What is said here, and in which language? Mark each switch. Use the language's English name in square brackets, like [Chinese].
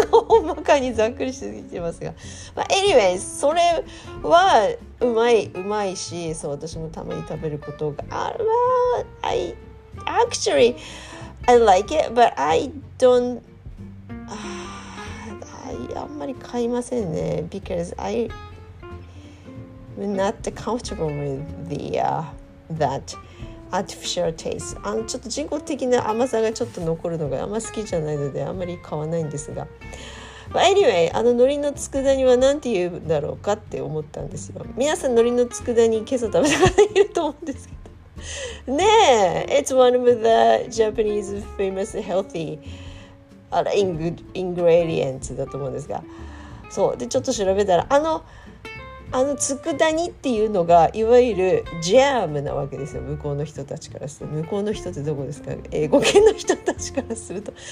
[Japanese] 大まかにざっくりしすぎてますが、まあ、Anyway それはうまい、うまいし、そう、私もたまに食べることが、あ、 [English] Well, I actuallyI like it, but I don't... [Japanese] I あんまり買いませんね。 [English] Because I'm not comfortable with the, that artificial taste. [Japanese] あのちょっと人工的な甘さがちょっと残るのがあんま好きじゃないので、あんまり買わないんですが。 [English] But anyway, [Japanese] あの海苔の佃煮は何て言うんだろうかって思ったんですよ。皆さん海苔の佃煮今朝食べた方いると思うんですけど。ねえ、 [English] It's one of the Japanese famous healthy ingredients [Japanese] だと思うんですが、そうで、ちょっと調べたら、あの佃煮っていうのがいわゆるジャムなわけですよ、向こうの人たちからすると。向こうの人ってどこですか、英語圏の人たちからすると。